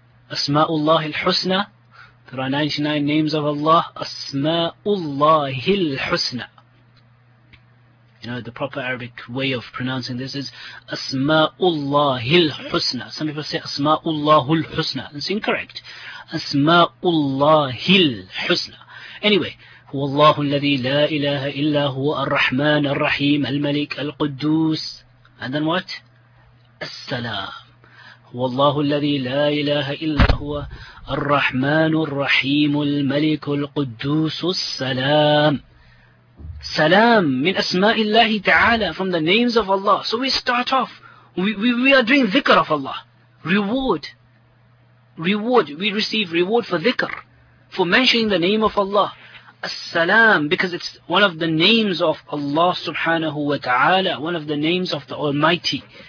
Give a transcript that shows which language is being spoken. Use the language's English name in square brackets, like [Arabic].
[English] Asma'ullahi al-husna. There are 99 names of Allah. Asma'ullahi al-husna. You know, the proper Arabic way of pronouncing this is Asma'ullahi al-husna. Some people say Asma'ullahu al-husna. It's incorrect. Asma'ullahi al-husna. [Arabic] Anyway, هو الله الذي لا إله إلا هو الرحمن الرحيم الملك القدوس. [English] And then what? السلام. [Arabic] هو الله الذي لا إله إلا هو الرحمن الرحيم الملك القدوس السلام. سلام من أسماء الله تعالى, [English] from the names of Allah. So we start off, we are doing ذكر of Allah. Reward. We receive reward for ذكر, for mentioning the name of Allah. As-salam, because it's one of the names of Allah subhanahu wa ta'ala, one of the names of the Almighty.